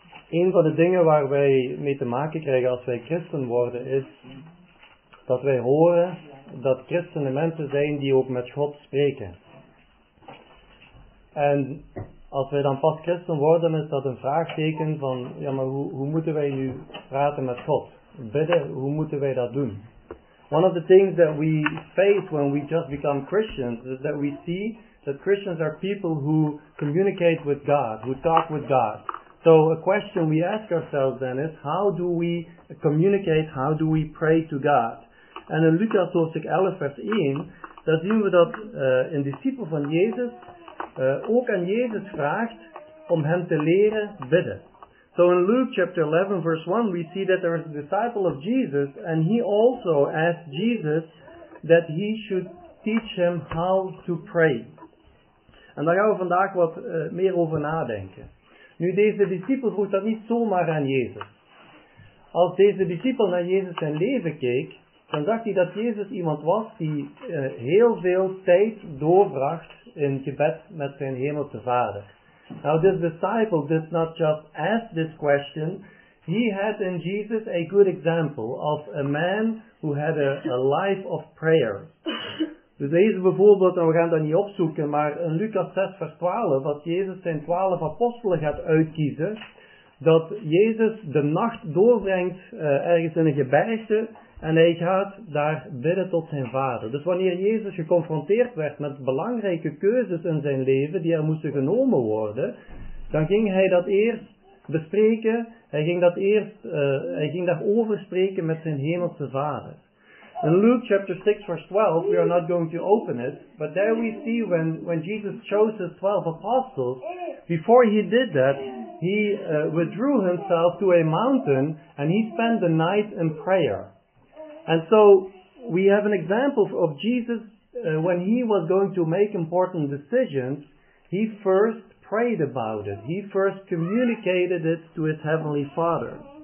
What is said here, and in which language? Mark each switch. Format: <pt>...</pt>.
<nl>Een van de dingen waar wij mee te maken krijgen als wij christen worden is dat wij horen dat christenen mensen zijn die ook met God spreken. En als wij dan pas christen worden, is dat een vraagteken van, ja, maar hoe moeten wij nu praten met God? Bidden, hoe moeten wij dat doen?</nl> <en>One of the things that we face when we just become Christians is that we see that Christians are people who communicate with God, who talk with God. So a question we ask ourselves then is, how do we communicate, how do we pray to God?</en> <nl>En in Lucas hoofdstuk 11 vers 1, daar zien we dat een discipel van Jezus ook aan Jezus vraagt om hem te leren bidden.</nl> <en>So in Luke chapter 11 verse 1 we see that there is a disciple of Jesus and he also asked Jesus that he should teach him how to pray.</en> <nl>En daar gaan we vandaag wat meer over nadenken. Nu deze discipel vroeg dat niet zomaar aan Jezus. Als deze discipel naar Jezus zijn leven keek, dan zag hij dat Jezus iemand was die heel veel tijd doorbracht in gebed met zijn hemelse Vader.</nl> <en>Now this disciple did not just ask this question, he had in Jesus a good example of a man who had a life of prayer.</en> <nl>Dus deze bijvoorbeeld, en we gaan dat niet opzoeken, maar in Lucas 6 vers 12, als Jezus zijn 12 apostelen gaat uitkiezen, dat Jezus de nacht doorbrengt ergens in een gebergte en hij gaat daar bidden tot zijn Vader. Dus wanneer Jezus geconfronteerd werd met belangrijke keuzes in zijn leven die er moesten genomen worden, dan ging hij dat eerst bespreken, hij ging daarover spreken met zijn hemelse Vader.</nl> <en>In Luke chapter 6 verse 12, we are not going to open it, but there we see when Jesus chose his 12 apostles, before he did that, he withdrew himself to a mountain and he spent the night in prayer. And so we have an example of Jesus when he was going to make important decisions, he first prayed about it. He first communicated it to his Heavenly Father.</en>